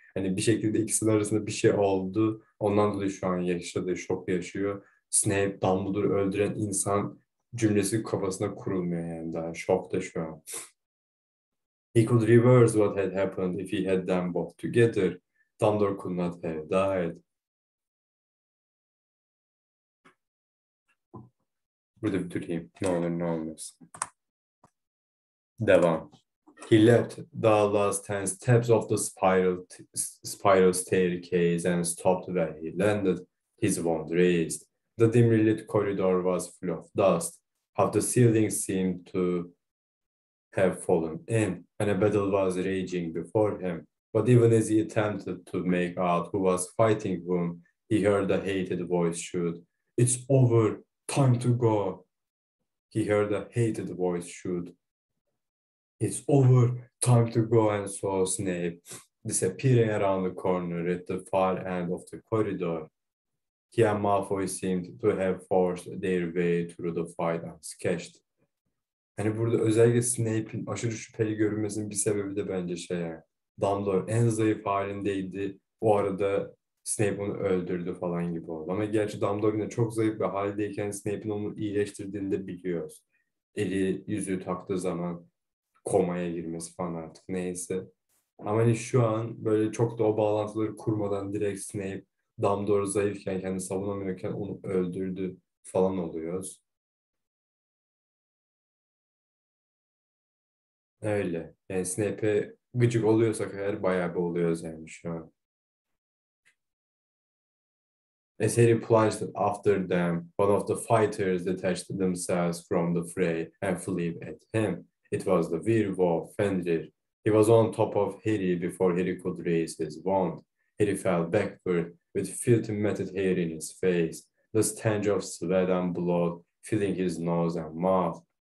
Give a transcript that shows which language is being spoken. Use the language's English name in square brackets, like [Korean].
[Turkish] Hani bir şekilde ikisinin arasında bir şey oldu. Ondan dolayı şu an yaşadığı şok yaşıyor. Snape, Dumbledore'u öldüren insan cümlesi kafasına kurulmuyor yani daha. Şokta şu an. [English] He could reverse what had happened if he had them both together. Dumbledore could not have died. [Turkish] Burada bir durayım. Ne olur ne olmaz. Devam. [English] He left the last 10 steps of the spiral staircase and stopped where he landed. His wand raised. The dimly lit corridor was full of dust. Half the ceiling seemed to have fallen in, and a battle was raging before him. But even as he attempted to make out who was fighting whom, he heard a hated voice shout, "It's over! Time to go!" He heard a hated voice shout, "It's over! Time to go!" and saw Snape disappearing around the corner at the far end of the corridor. He and Malfoy seemed to have forced their way through the fight unscathed. [Turkish] Hani burada özellikle Snape'in aşırı şüpheli görünmesinin bir sebebi de bence şey yani. Dumbledore en zayıf halindeydi. Bu arada Snape onu öldürdü falan gibi oldu. Ama gerçi Dumbledore yine çok zayıf bir haldeyken Snape'in onu iyileştirdiğini de biliyoruz. Eli yüzüğü taktığı zaman komaya girmesi falan artık neyse. Ama hani şu an böyle çok da o bağlantıları kurmadan direkt Snape Dumbledore zayıfken, kendini savunamıyorken onu öldürdü falan oluyoruz. Öyle. Yani Snape'e gıcık oluyorsak eğer bayağı bir oluyoruz yani şu an. [English] As Harry plunged after them, one of the fighters detached themselves from the fray and flew at him. It was the werewolf, Fenrir. He was on top of Harry before Harry could raise his wand. Harry fell backward, with filthy matted hair in his face, the stench of sweat and blood filling his nose and mouth.